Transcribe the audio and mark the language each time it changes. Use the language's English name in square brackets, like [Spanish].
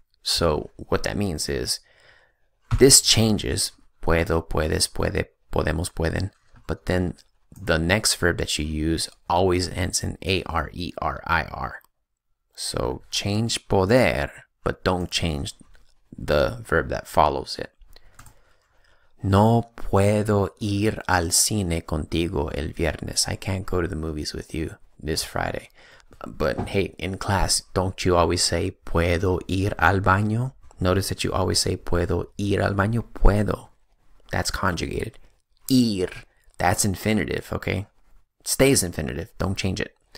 [English] So what that means is this changes. [Spanish] Puedo, puedes, puede, podemos, pueden. [English] But then the next verb that you use always ends in A-R-E-R-I-R. So change poder, but don't change the verb that follows it. [Spanish] No puedo ir al cine contigo el viernes. [English] I can't go to the movies with you this Friday. But hey, in class, don't you always say [Spanish] puedo ir al baño? [English] Notice that you always say [Spanish] puedo ir al baño. [English] Puedo. That's conjugated. Ir. That's infinitive, okay? Stays infinitive. Don't change it.